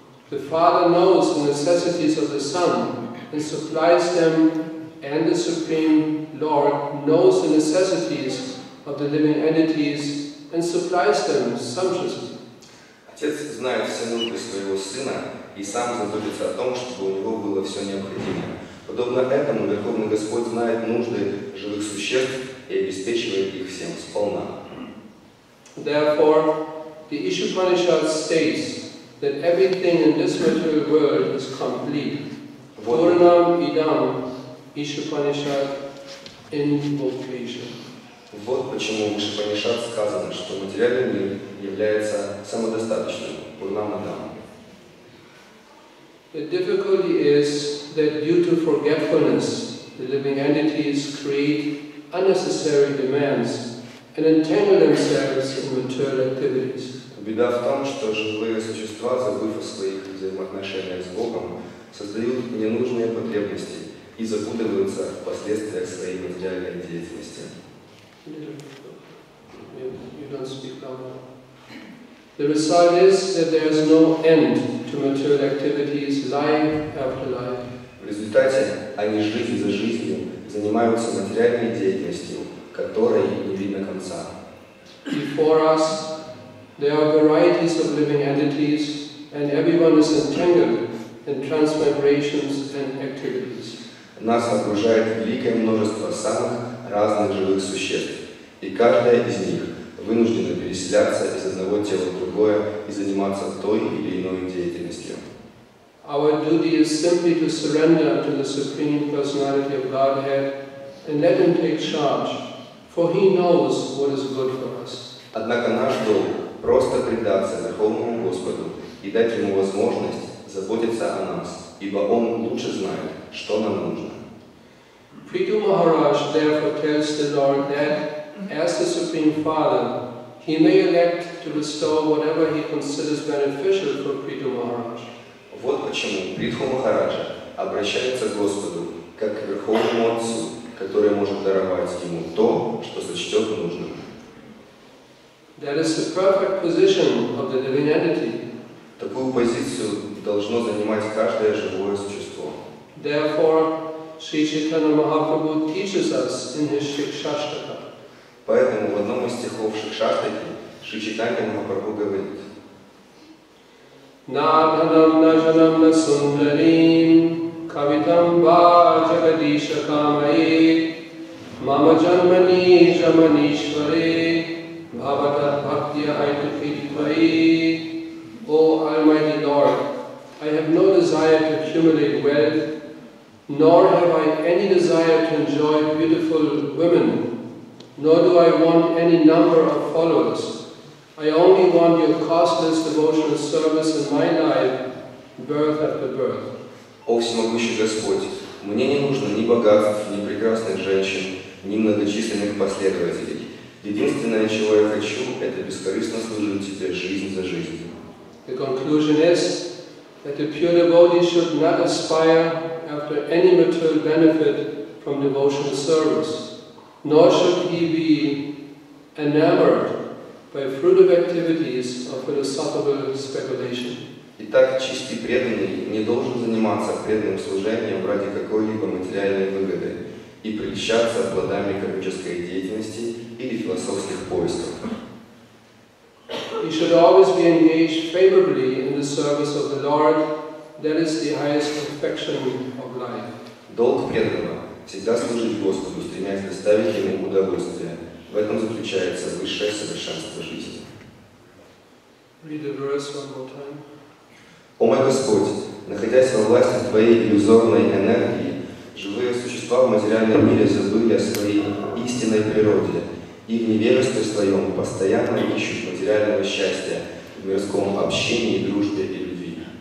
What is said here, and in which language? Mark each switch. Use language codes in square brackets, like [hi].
[en] The Father knows the necessities of the Son and supplies them, and the Supreme Lord knows the necessities of the living entities and supplies them sumptuously. [ru] Отец знает все нужды своего сына и сам заботится о том, чтобы у него было все необходимое. Подобно этому, Верховный Господь знает нужды живых существ и обеспечивает их всем сполна. [en] Therefore, the Ishupanishad states that everything in this material world is complete. [sa] Purnam idam [en] Ishupanishad invocation. [ru] Вот почему в Ишупанишад сказано, что материальный мир является самодостаточным, Пурнамадам. [en] The difficulty is that due to forgetfulness, the living entities create unnecessary demands and entangle themselves in material activities. [ru] Беда в том, что живые существа, забыв о своих взаимоотношениях с Богом, создают ненужные потребности и запутываются в последствиях своей материальной деятельности. [en] You don't speak louder. The result is that there is no end to material activities, life after life. [ru] В результате они жизнь за жизнью занимаются материальной деятельностью, которой не видно конца. [en] Before us there are varieties of living entities, and everyone is entangled in transmigrations and activities. [ru] Нас окружает великое множество самых разных живых существ. И каждая из них вынуждена переселяться из одного тела в другое и заниматься той или иной деятельностью. [en] Our duty is simply to surrender to the Supreme Personality of Godhead and let Him take charge, for He knows what is good for us. [ru] Однако наш долг – просто предаться Верховному Господу и дать Ему возможность заботиться о нас, ибо Он лучше знает, что нам нужно. [en] Prithu Maharaj therefore tells the Lord that, as the Supreme Father, He may elect to bestow whatever He considers beneficial for Prithu Maharaj. [ru] Вот почему Прихо Махараджа обращается к Господу, как к Верховному Отцу, который может даровать ему то, что сочтет нужным. [en] That is the perfect position of the divine entity. [ru] Такую позицию должно занимать каждое живое существо. [en] Therefore, Sri Chaitanya Mahaprabhu teaches us in his Shikshashtaka. [ru] Поэтому в одном из стихов Шикшаштаки Шри Чайтанья Махапрабху говорит: [sa] Nādhanam nājanam nāsundarīm kavitam bājagadīśa kāmaye mama janmani jamanīśvare bhavata bhaktya aitukhidhvaye. [en] O Almighty Lord, I have no desire to accumulate wealth, nor have I any desire to enjoy beautiful women, nor do I want any number of followers. I only want your costless devotional service in my life, birth after birth. [ru] О всемогущий Господь, мне не нужно ни богатств, ни прекрасных женщин, ни многочисленных последователей. Единственное, чего я хочу, это бескорыстно служить тебе жизнь за жизнью. [en] The conclusion is that the pure devotee should not aspire after any material benefit from devotional service, nor should he be enamored by fruit of activities of philosophical speculation. [ru] Итак, чистый преданный не должен заниматься преданным служением ради какой-либо материальной выгоды и прельщаться плодами коммерческой деятельности или философских поисков. [en] He should always be engaged favorably in the service of the Lord. That is the highest perfection of life. [ru] Долг преданного – всегда служить Господу, стремясь доставить Ему удовольствие. В этом заключается высшее совершенство жизни. [en] Read the verse one more time. [ru] О мой Господь, находясь во власти Твоей иллюзорной энергии, живые существа в материальном мире забыли о своей истинной природе и в невежестве своем постоянно ищут материального счастья в мирском общении, дружбе и любви.